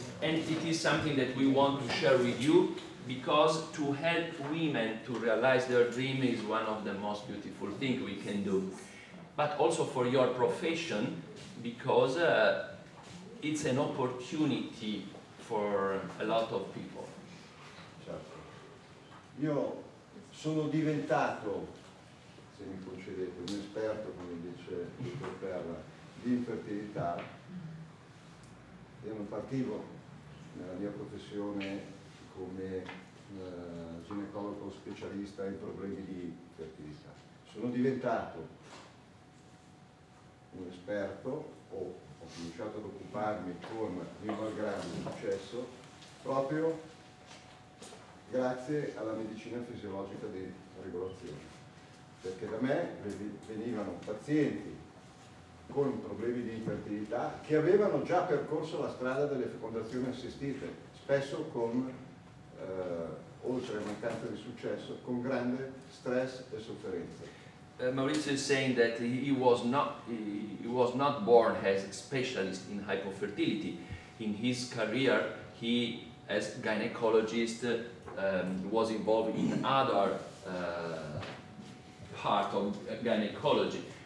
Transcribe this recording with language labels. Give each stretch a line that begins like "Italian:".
English: And it is something that we want to share with you because to help women to realize their dream is one of the most beautiful things we can do. But also for your profession, because it's an opportunity for a lot of people.
Italian: Certo. Io sono diventato, se mi concedete, un esperto, come dice il dottor Perla, di infertilità. E non partivo nella mia professione come ginecologo specialista in problemi di fertilità. Sono diventato un esperto o ho cominciato ad occuparmi con il malgrado successo proprio grazie alla medicina fisiologica di regolazione, perché da me venivano pazienti con problemi di infertilità che avevano già percorso la strada delle fecondazioni assistite, spesso con oltre a mancanza di successo, con grande stress e sofferenza.
English: Maurizio is saying that he was not born as a specialist in hypofertility. In his career, he, as gynecologist, was involved in other part of gynecology.